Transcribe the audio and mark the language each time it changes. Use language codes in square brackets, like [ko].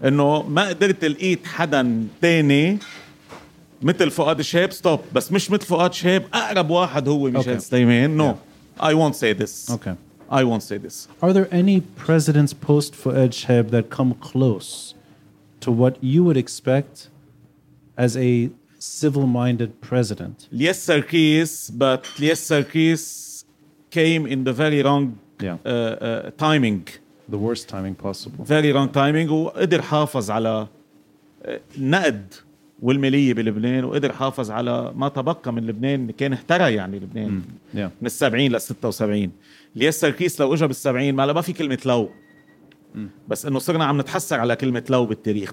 [ar] إنه ما قدرت لقيت حدا تاني مثل فؤاد شهاب. [en] Stop. [ar] بس مش مثل فؤاد شهاب. أقرب واحد هو ميشيل سليمان. [en] No. Yeah. I won't say this. Okay. I won't say this. Are there any presidents post Fouad Chehab that come close to what you would expect as a civil-minded president? Yes, Sarkis, but yes, Sarkis came in the very wrong timing. The worst timing possible. Very wrong timing. [ar] وقدر حافظ على نقد والمالية بلبنان وقدر حافظ على ما تبقى من لبنان كان اهترى يعني لبنان من السبعين للستة وسبعين. يس سركيس لو اجى بالسبعين ما لا ما في كلمة لو. بس انه صرنا عم نتحسر على كلمة لو بالتاريخ.